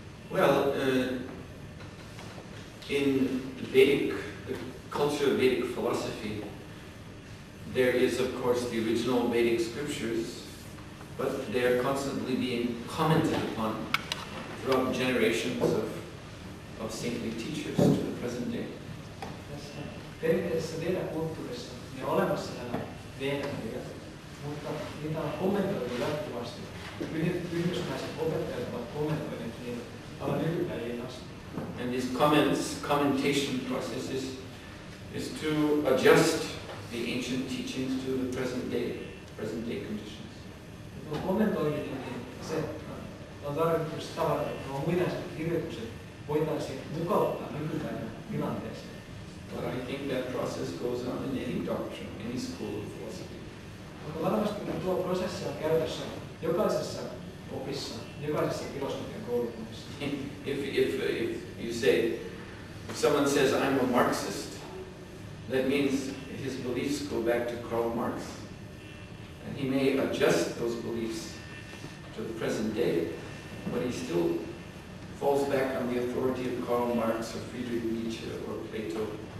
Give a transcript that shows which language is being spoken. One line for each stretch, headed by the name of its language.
English: Well, in the Vedic, the culture of Vedic philosophy, there is, of course, the original Vedic scriptures, but they are constantly being commented upon throughout generations of saintly teachers to the present day.
Finnish: Perinteisessä Veda-kulttuurissa ne olemassa nämä Veda-kirjat, mutta niitä on kommentoitu jatkuvasti. Yhdysmäiset opettajat ovat kommentoineet niin paljon nykypäivien asti.
English: And these comments, commentation processes, is to adjust the ancient teachings to the present day conditions.
Finnish: Tuo kommentoiminen, niin se on tarkoitus tavalla, että nuo muinaiset kirjoitukset voitaisiin mukauttaa nykypäivän tilanteeseen.
English: But I think that process goes on in any doctrine, any school of philosophy.
Finnish: Mutta varmasti tuo prosessi on käytössä jokaisessa opissa, jokaisessa filosofian koulutuksessa.
English: If you say, if someone says, I'm a Marxist, that means his beliefs go back to Karl Marx. And he may adjust those beliefs to the present day, but he still falls back on the authority of Karl Marx or Friedrich Nietzsche or Plato.